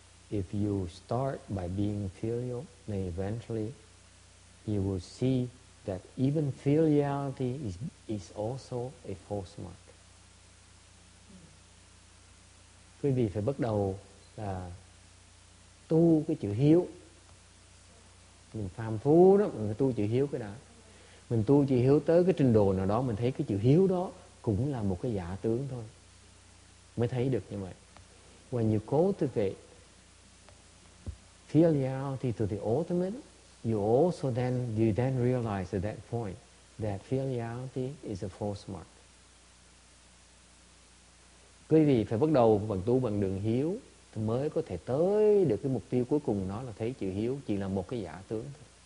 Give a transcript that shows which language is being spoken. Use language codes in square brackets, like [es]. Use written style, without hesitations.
[en] If you start by being filial, then eventually you will see that even filiality is also a false mark. [vi] Quý vị phải bắt đầu là tu cái chữ hiếu. Mình phàm phu đó, mình phải tu chữ hiếu cái đã. Mình tu chữ hiếu tới cái trình độ nào đó, mình thấy cái chữ hiếu đó cũng là một cái giả tướng thôi. Mới thấy được như vậy. [en] When you cultivate filiality to the ultimate, you then realize at that point that filiality is a false mark. [vi] Quý vị phải bắt đầu bằng tu bằng đường hiếu thì mới có thể tới được cái mục tiêu cuối cùng, nó là thấy chữ hiếu chỉ là một cái giả tướng thôi.